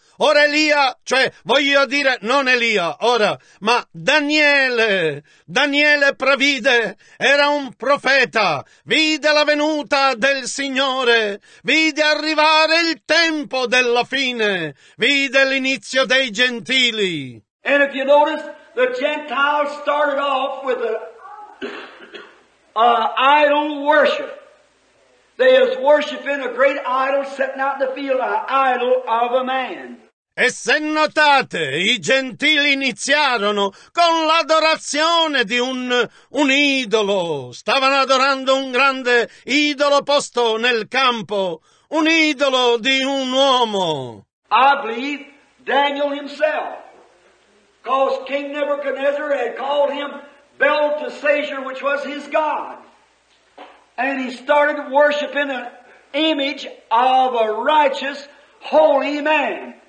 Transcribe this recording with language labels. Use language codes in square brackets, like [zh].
[it] Ora Elia, cioè voglio dire non Elia, ora, ma Daniele. Daniele previde, era un profeta, vide la venuta del Signore, vide arrivare il tempo della fine, vide l'inizio dei gentili. [en] And if you notice, the Gentiles started off with an idol worship. They is worshiping a great idol sitting out in the field, an idol of a man. [it] E se notate, i gentili iniziarono con l'adorazione di un idolo. Stavano adorando un grande idolo posto nel campo, un idolo di un uomo. [en] I believe Daniel himself, because King Nebuchadnezzar had called him Belteshazzar, which was his god, and he started worshiping an image of a righteous, holy man.